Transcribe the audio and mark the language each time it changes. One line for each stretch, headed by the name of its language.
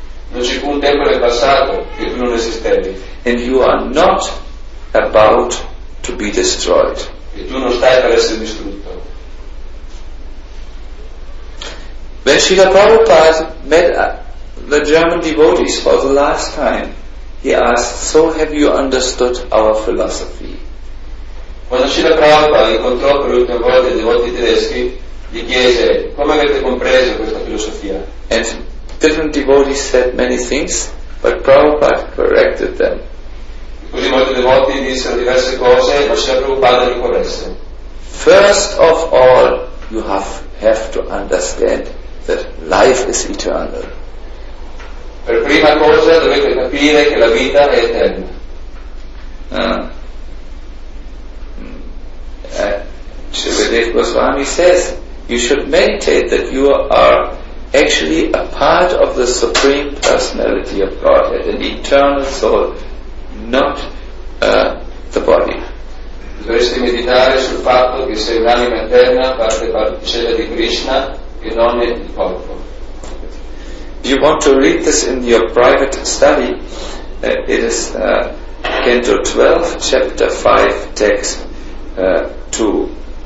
Italian: Non c'è un tempo nel passato che tu non esistevi.
English: And you are not about to be destroyed.
Italian: E tu non stai per essere distrutto.
English: When Srila Prabhupada met the German devotees for the last time, he asked, "So have you understood our philosophy?"
Italian: Quando Srila Prabhupada incontrò per l'ultima volta i devoti tedeschi, gli chiese, "Come avete compreso questa filosofia?"
English: And different devotees said many things, but Prabhupada corrected them.
Italian: Così molti devoti dissero diverse cose, ma Srila Prabhupada li corresse.
English: First of all, you have to understand that life is eternal.
Italian: Per prima cosa dovete capire che la vita è eterna.
English: Shukadeva Goswami says you should meditate that you are actually a part of the Supreme Personality of Godhead, an eternal soul, not the body.
Italian: Dovresti meditare sul fatto che sei un'anima eterna, parte particella di Krishna, che non è il corpo.
English: If you want to read this in your private study, it is Canto 12, Chapter 5, Text 2.